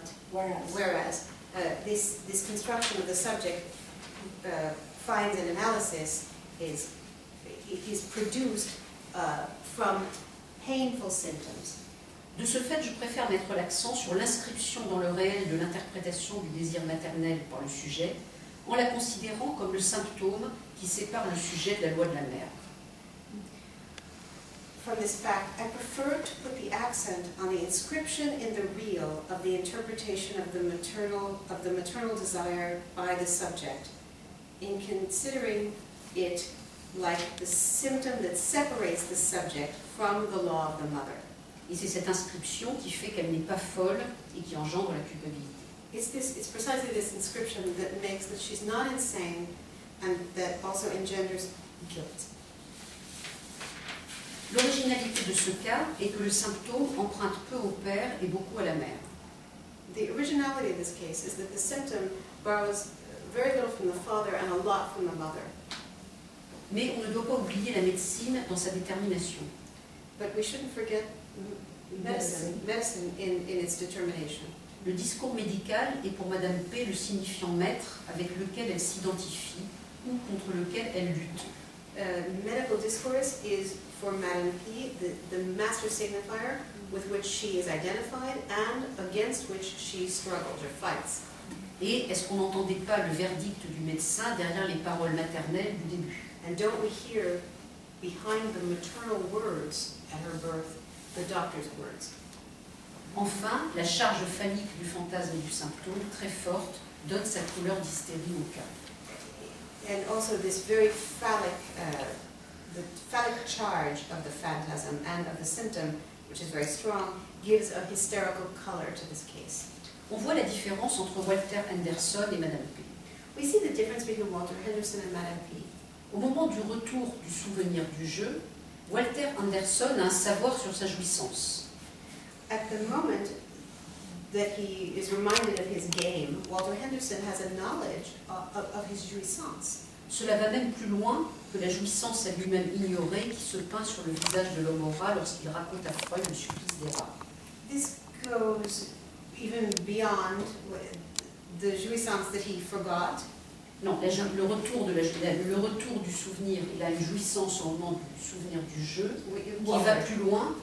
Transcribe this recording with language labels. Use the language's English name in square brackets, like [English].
[English] Whereas this construction of the subject finds an analysis is produced from painful symptoms. [French] De ce fait, je préfère mettre l'accent sur l'inscription dans le réel de l'interprétation du désir maternel par le sujet, en la considérant comme le symptôme qui sépare le sujet de la loi de la mère. [English] From this fact, I prefer to put the accent on the inscription in the real of the interpretation of the maternal desire by the subject, in considering it like the symptom that separates the subject from the law of the mother. [French] Et c'est cette inscription qui fait qu'elle n'est pas folle et qui engendre la culpabilité. [English] It's precisely this inscription that makes that she's not insane and that also engenders guilt. [French] L'originalité de ce cas est que le symptôme emprunte peu au père et beaucoup à la mère. [English] The originality of this case is that the symptom borrows very little from the father and a lot from the mother. [French] Mais on ne doit pas oublier la médecine dans sa détermination. [English] But we shouldn't forget medicine in its determination. [French] le discours médical est pour Madame P le signifiant maître avec lequel elle s'identifie ou contre lequel elle lutte. [English] Medical discourse is for Madame P the master signifier with which she is identified and against which she struggles or fights. [French] Et est-ce qu'on n'entendait pas le verdict du médecin derrière les paroles maternelles du début? [English] And don't we hear behind the maternal words at her birth the doctor's words? [French] Enfin, la charge phallique du fantasme et du symptôme, très forte, donne sa couleur d'hystérie au cas. [English] And also this very phallic, the phallic charge of the phantasm and of the symptom, which is very strong, gives a hysterical color to this case. [French] On voit la différence entre Walter Henderson et Madame P. [English] We see the difference between Walter Henderson and Madame P. [French] Au moment du retour du souvenir du jeu, Walter Henderson a un savoir sur sa jouissance. [English] At the moment that he is reminded of his game, Walter Henderson has a knowledge of his jouissance. [French] Cela va même plus loin que la jouissance à lui-même ignorée qui se peint sur le visage de l'homme au rat lorsqu'il raconte à Freud le supplice des rats. [English] This goes even beyond the jouissance that he forgot. [French] Non, le retour du souvenir, il a une jouissance au moment du souvenir du jeu qui va plus loin.